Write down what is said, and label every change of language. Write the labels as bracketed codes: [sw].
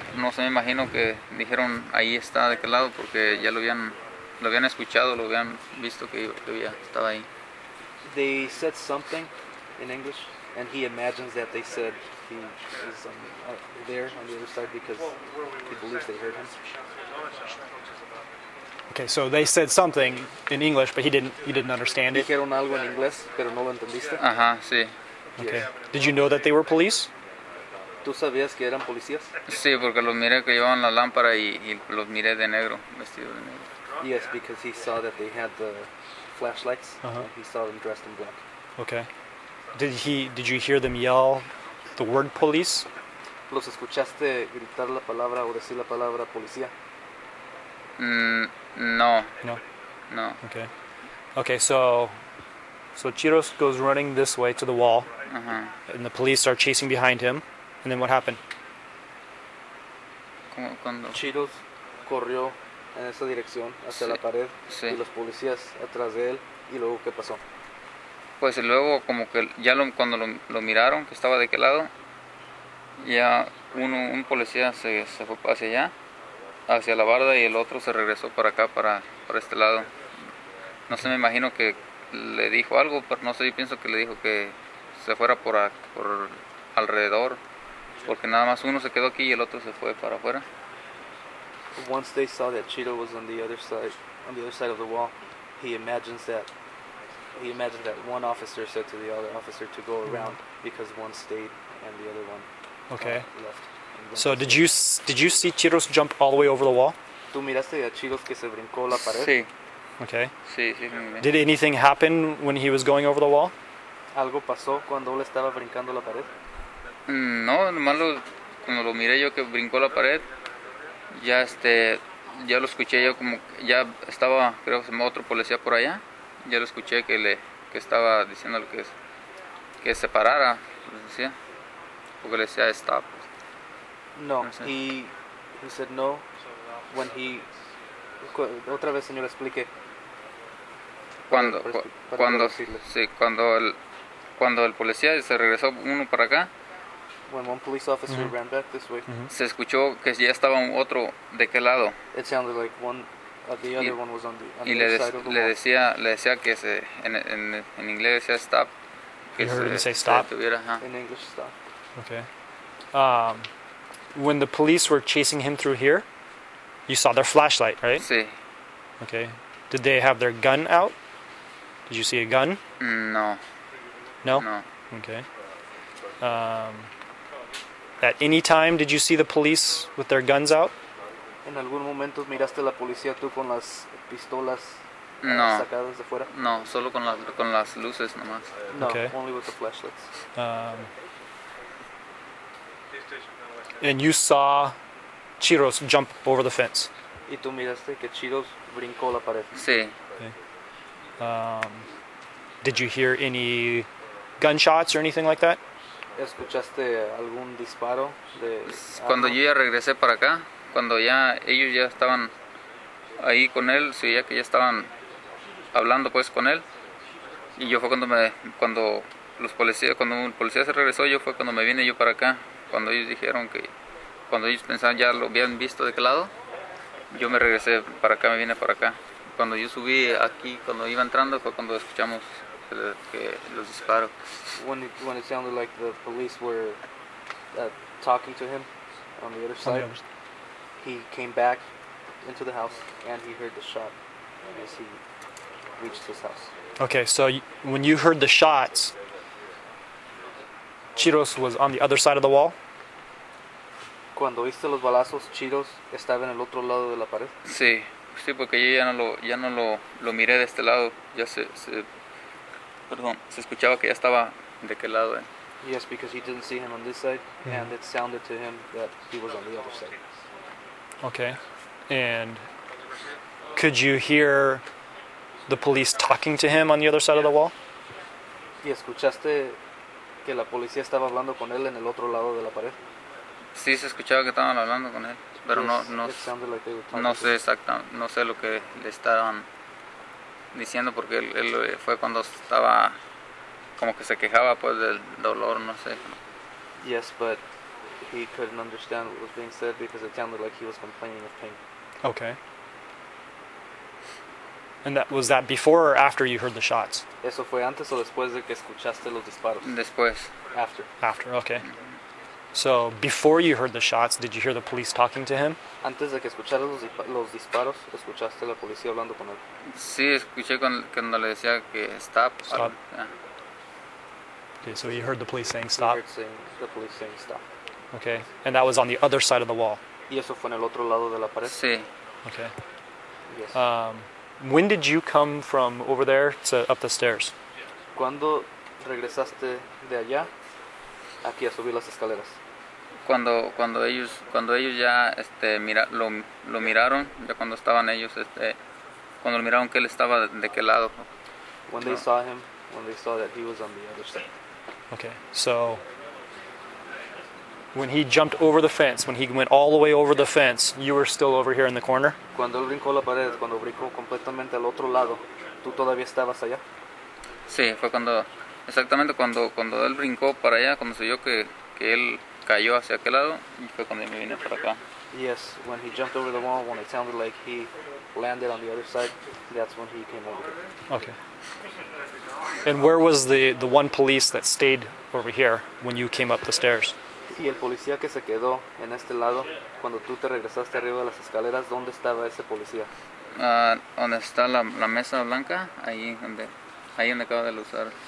[es] No sé, me imagino que dijeron ahí está, de qué lado, porque ya lo habían escuchado, lo habían visto que ya estaba ahí. [en] They said something in English, and he imagines that they said he is there on the other side because he believes they heard him. Okay, so they said something in English, but he didn't understand it. [es] Dijeron algo en inglés, pero no lo entendiste. Ajá, sí. [en] Okay. Did you know that they were police? [es] ¿Tú sabías que eran policías? Sí, porque los miré que llevaban la lámpara y los miré de negro, vestido de negro. [en] Yes, because he saw that they had the flashlights. And he saw them dressed in black. Okay. Did you hear them yell the word police? [es] ¿Los escuchaste gritar la palabra o decir la palabra policía? No. [en] Okay. Okay, so Chiros goes running this way to the wall, uh-huh. and the police are chasing behind him. And then what happened? [es] ¿Cuándo? Chiros corrió en esa dirección hacia sí. la pared sí. y los policías atrás de él. ¿Y luego qué pasó? Pues luego como que ya cuando lo miraron que estaba de qué lado, ya un policía se fue hacia allá. Hacia la barda y el otro se regresó para acá, para este lado. No sé, me imagino que le dijo algo, pero no sé, yo pienso que le dijo que se fuera por alrededor, porque nada más uno se quedó aquí y el otro se fue para afuera. [en] Once they saw that Cheeto was on the other side of the wall, he imagines that one officer said to the other officer to go around because one stayed and the other one okay. left. So did you see Chiros jump all the way over the wall? [es] ¿Tú miraste a Chiros que se brincó la pared? Sí. [en] Okay. [es] Sí, sí. [en] Did anything happen when he was going over the wall? [es] ¿Algo pasó cuando él estaba brincando la pared? No, nomás cuando lo miré yo que brincó la pared, ya ya lo escuché yo como ya estaba, creo que otro policía por allá, ya lo escuché que estaba diciendo que se parara, decía, porque le decía stop. [en] No, he said no when he [es] otra vez señor explique cuando para sí cuando el policía se regresó uno para acá [en] when one police officer mm-hmm. ran back this way mm-hmm. [es] se escuchó que ya estaba otro de qué lado [en] it sounded like one the other one was on [es] y [en] the side [es] le [en] of the [es] decía [en] wall. [es] Le decía que se en inglés decía stop [en] que you heard him say stop [es] tuviera, [en] in English stop okay When the police were chasing him through here, you saw their flashlight, right? [es] Sí. [en] Okay. Did they have their gun out? Did you see a gun? [es] No. [en] No? [es] No. [en] Okay. At any time, did you see the police with their guns out? [es] ¿En algún momento miraste a la policía tú con las pistolas no. sacadas de fuera? No, solo con las luces nomás. [en] No, okay. Only with the flashlights. And you saw Chiros jump over the fence. [es] ¿Y tú miraste que Chiros brincó la pared? Sí. [en] Okay. Did you hear any gunshots or anything like that? [es] ¿Escuchaste algún disparo de cuando yo ya regresé para acá, cuando ya ellos ya estaban ahí con él, sí, ya que ya estaban hablando pues con él, Y yo fue cuando me, cuando los policías, cuando un policía se regresó, yo fue cuando me vine yo para acá. Cuando ellos dijeron que, cuando ellos pensaban ya lo habían visto de qué lado, yo me regresé para acá, me vine para acá. Cuando yo subí aquí, cuando iba entrando, fue cuando escuchamos que los disparos. [en] When it sounded like the police were talking to him on the other side, he came back into the house and he heard the shot as he reached his house. Okay, so when you heard the shots, Chiros was on the other side of the wall? [es] Cuando oíste los balazos, Chiros estaba en el otro lado de la pared? Sí, sí, porque yo ya no lo miré de este lado. Ya se escuchaba que ya estaba de qué lado. [en] Yes, because he didn't see him on this side, mm-hmm. And it sounded to him that he was on the other side. Okay, and could you hear the police talking to him on the other side of the wall? [es] ¿Y escuchaste que la policía estaba hablando con él en el otro lado de la pared? Sí, se escuchaba que estaban hablando con él, pero no sé lo que le estaban diciendo, porque él fue cuando estaba como que se quejaba pues del dolor, no sé. [en] Yes, but he couldn't understand what was being said because it sounded like he was complaining of pain. Okay. And that was that before or after you heard the shots? [es] Eso fue antes o después de que escuchaste los disparos. Después. [en] After. After, okay. So, before you heard the shots, did you hear the police talking to him? [es] Antes de que escuchara los disparos, ¿escuchaste la policía hablando con él? Sí, escuché cuando le decía que stop. [en] Stop. Okay, so you heard the police saying stop. He heard the police saying stop. Okay, and that was on the other side of the wall. [es] ¿Y eso fue en el otro lado de la pared? Sí. [en] Okay. Yes. When did you come from over there to up the stairs? [es] ¿Cuándo regresaste de allá aquí a subir las escaleras? Cuando ellos ya lo miraron, ya cuando estaban ellos cuando miraron que él estaba de qué lado. [en] When they saw him, when they saw that he was on the other side. Okay. So when he jumped over the fence, when he went all the way over the fence, you were still over here in the corner? [es] Cuando él brincó la pared, cuando brincó completamente al otro lado, ¿tú todavía estabas allá? Sí, fue cuando, exactamente cuando él brincó para allá, cuando se vio que él cayó hacia aquel lado, y fue cuando me vine para acá. [en] Yes, when he jumped over the wall, when it sounded like he landed on the other side, that's when he came over. Okay. And where was the one police that stayed over here when you came up the stairs? [es] Y el policía que se quedó en este lado cuando tú te regresaste arriba de las escaleras, ¿dónde estaba ese policía? Donde está la mesa blanca, ahí donde acaba de usar.